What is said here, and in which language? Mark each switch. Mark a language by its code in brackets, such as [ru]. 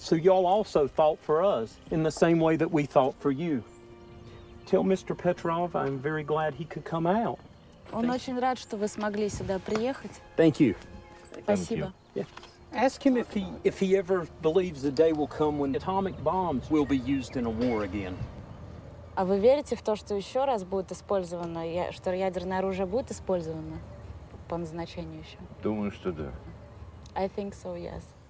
[en] So y'all also fought for us in the same way that we fought for you. Tell Mr. Petrov I'm very glad he could come out. [ru] Он очень рад, что вы смогли сюда приехать. [en] Thank you. [ru] Спасибо. [en] Ask him if he ever believes the day will come when atomic bombs will be used in a war again. [ru] А вы верите в то, что еще раз будет использовано, что ядерное оружие будет использовано по назначению еще? Думаю, что да. [en] I think so, yes.